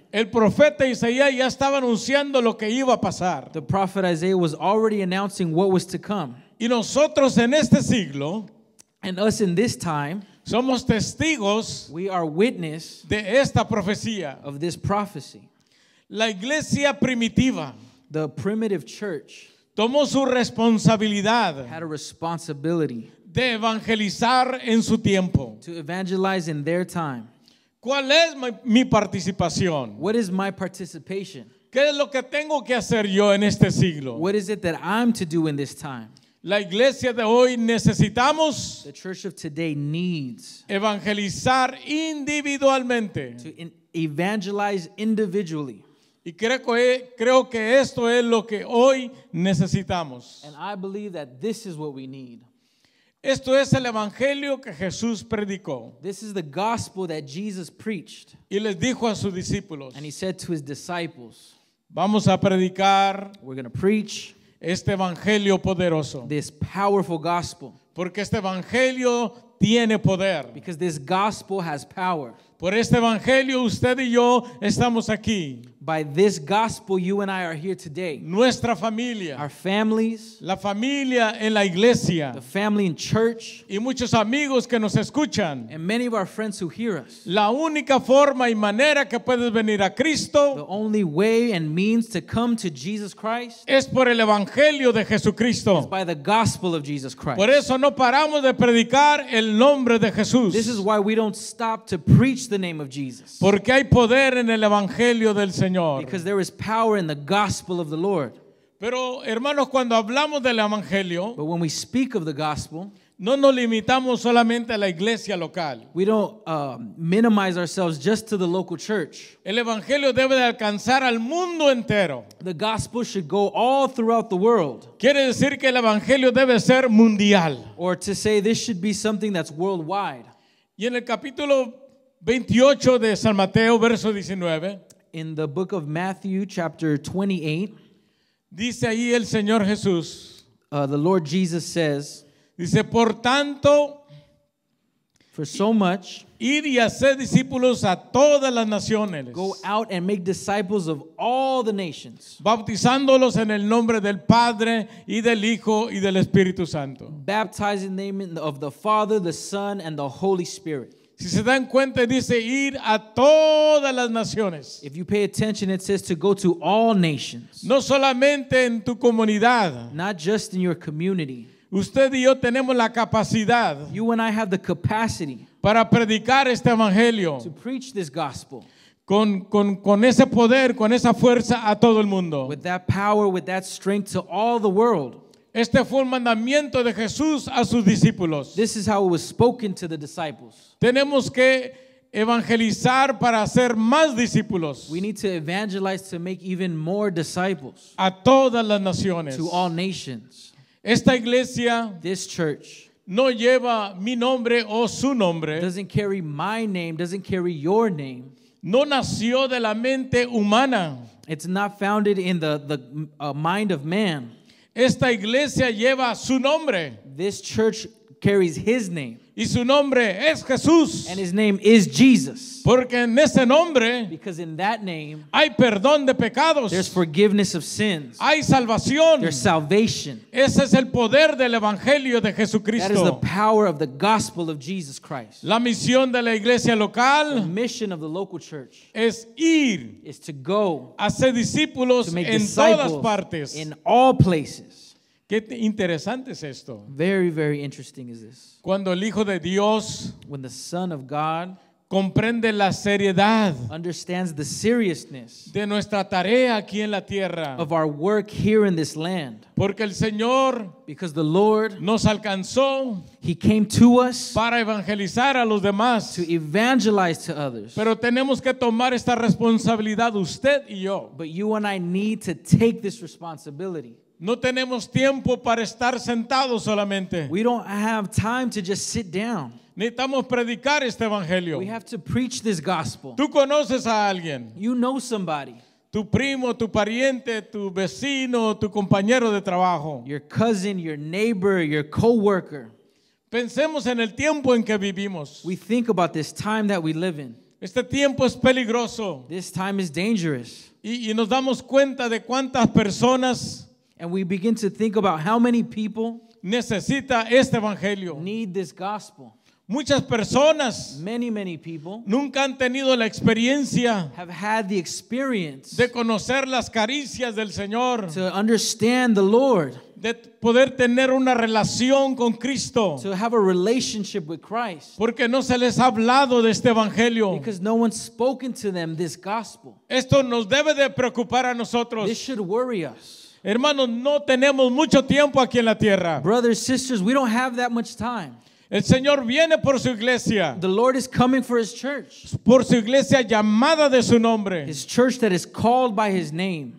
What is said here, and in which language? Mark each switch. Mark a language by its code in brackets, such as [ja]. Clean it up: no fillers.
[es] El profeta Isaías ya estaba anunciando lo que iba a pasar. [en] The prophet Isaiah was already announcing what was to come. [es] Y nosotros en este siglo. [en] And us in this time. [es] Somos testigos. [en] We are witness. [es] De esta profecía. [en] Of this prophecy. [es] La iglesia primitiva. [en] The primitive church. [es] Tomó su responsabilidad. [en] Had a responsibility. [es] De evangelizar en su tiempo. [en] To evangelize in their time. [es] ¿Cuál es mi participación? [en] What is my participation? [es] ¿Qué es lo que tengo que hacer yo en este siglo? [en] What is it that I'm to do in this time? [es] La iglesia de hoy necesitamos. [en] The church of today needs. [es] Evangelizar individualmente. [en] To evangelize individually. [es] Y creo que esto es lo que hoy necesitamos. [en] And I believe that this is what we need. [es] Esto es el evangelio que Jesús predicó. [en] This is the gospel that Jesus preached. [es] Y les dijo a sus discípulos. [en] And he said to his disciples. [es] Vamos a predicar. [en] We're going to preach. [es] Este evangelio poderoso. [en] This powerful gospel. [es] Porque este evangelio tiene poder. [en] Because this gospel has power. [es] Por este evangelio usted y yo estamos aquí. [en] By this gospel you and I are here today. [es] Nuestra familia. [en] Our families. [es] La familia en la iglesia. [en] The family in church. [es] Y muchos amigos que nos escuchan. [en] And many of our friends who hear us. [es] La única forma y manera que puedes venir a Cristo. [en] The only way and means to come to Jesus Christ. [es] Es por el evangelio de Jesucristo. [en] It's by the gospel of Jesus Christ. [es] Por eso no paramos de predicar el nombre de Jesús. [en] This is why we don't stop to preach the name of Jesus. [es] Porque hay poder en el evangelio del Señor. [en] Because there is power in the gospel of the Lord. [es] Pero hermanos, cuando hablamos del evangelio, [en] but when we speak of the gospel, [es] no nos limitamos solamente a la iglesia local. [en] We don't minimize ourselves just to the local church. [es] El evangelio debe de alcanzar al mundo entero. [en] The gospel should go all throughout the world. [es] Quiere decir que el evangelio debe ser mundial. [en] Or to say this should be something that's worldwide. [es] Y en el capítulo 28 de San Mateo, verso 19, [en] in the book of Matthew, chapter 28, [es] dice ahí el Señor Jesús, [en] the Lord Jesus says, [es] dice, por tanto, [en] for so much, [es] ir y hacer discípulos a todas las naciones, [en] go out and make disciples of all the nations, [es] bautizándolos en el nombre del Padre y del Hijo y del Espíritu Santo, [en] baptizing them in the, of the Father, the Son, and the Holy Spirit. [es] Si se dan cuenta, dice ir a todas las naciones. [en] If you pay attention, it says to go to all nations. [es] No solamente en tu comunidad. [en] Not just in your community. [es] Usted y yo tenemos la capacidad. [en] You and I have the capacity. [es] Para predicar este evangelio. [en] To preach this gospel. [es] Con ese poder, con esa fuerza a todo el mundo. [en] With that power, with that strength to all the world. [es] Este fue un mandamiento de Jesús a sus discípulos. [en] This is how it was spoken to the disciples. [es] Tenemos que evangelizar para hacer más discípulos. [en] We need to evangelize to make even more disciples. [es] A todas las naciones. [en] To all nations. [es] Esta iglesia. [en] This church. [es] No lleva mi nombre o su nombre. [en] Doesn't carry my name, doesn't carry your name. [es] No nació de la mente humana. [en] It's not founded in the mind of man. [es] Esta iglesia lleva su nombre. [en] This church carries his name. [es] Y su nombre es Jesús. [en] And his name is Jesus. [es] Porque en ese nombre, [en] because in that name, [es] hay perdón de pecados. [en] There's forgiveness of sins. [es] Hay salvación. [en] There's salvation. [es] Ese es el poder del evangelio de Jesucristo. [en] That is the power of the gospel of Jesus Christ. [es] La misión de la iglesia local, [en] the mission of the local church, [es] es ir, [en] is to go, [es] hacer discípulos en todas partes, [en] in all places. [es] Qué interesante es esto. [en] Very, very interesting is this. [es] Cuando el Hijo de Dios, [en] when the Son of God, [es] comprende la seriedad, [en] understands the seriousness, [es] de nuestra tarea aquí en la tierra, [en] of our work here in this land. [es] Porque el Señor, [en] because the Lord, [es] nos alcanzó, [en] he came to us, [es] para evangelizar a los demás, [en] to evangelize to others. [es] Pero tenemos que tomar esta responsabilidad usted y yo. [en] But you and I need to take this responsibility. [es] No tenemos tiempo para estar sentados solamente. [en] We don't have time to just sit down. [es] Necesitamos predicar este evangelio. [en] We have to preach this gospel. [es] Tú conoces a alguien. [en] You know somebody. [es] Tu primo, tu pariente, tu vecino, tu compañero de trabajo. [en] Your cousin, your neighbor, your coworker. [es] Pensemos en el tiempo en que vivimos. [en] We think about this time that we live in. [es] Este tiempo es peligroso. [en] This time is dangerous. [es] Y nos damos cuenta de cuántas personas, [en] and we begin to think about how many people [es] necesita este evangelio, [en] need this gospel. [es] Muchas personas, [en] many, many people, [es] nunca han tenido la experiencia, [en] have had the experience, [es] de conocer las caricias del Señor, [en] to understand the Lord, [es] de poder tener una relación con Cristo, [en] to have a relationship with Christ, [es] porque no se les ha hablado de este evangelio, [en] because no one's spoken to them this gospel. [es] Esto nos debe de preocupar a nosotros. [en] This should worry us. [es] Hermanos, no tenemos mucho tiempo aquí en la tierra. [en] Brothers, sisters, we don't have that much time. [es] El Señor viene por su iglesia. [en] The Lord is coming for his church. [es] Por su iglesia llamada de su nombre. [en] His church that is called by his name.